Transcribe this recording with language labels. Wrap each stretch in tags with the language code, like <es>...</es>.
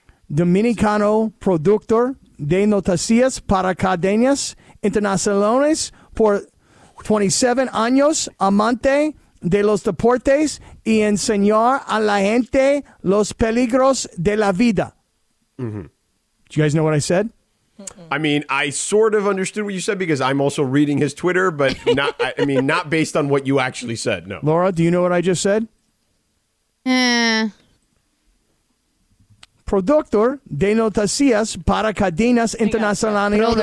<es>Dominicano productor de noticias para cadenas internacionales por 27 años, amante de los deportes y enseñar a la gente los peligros de la vida. Mm-hmm.</es> <en>Do you guys know what I said? I mean, I sort of understood what you said, because I'm also reading his Twitter, but not. I mean, not based on what you actually said. No, Laura, do you know what I just said?</en> <es>Productor de noticias para cadenas internacionales.</es>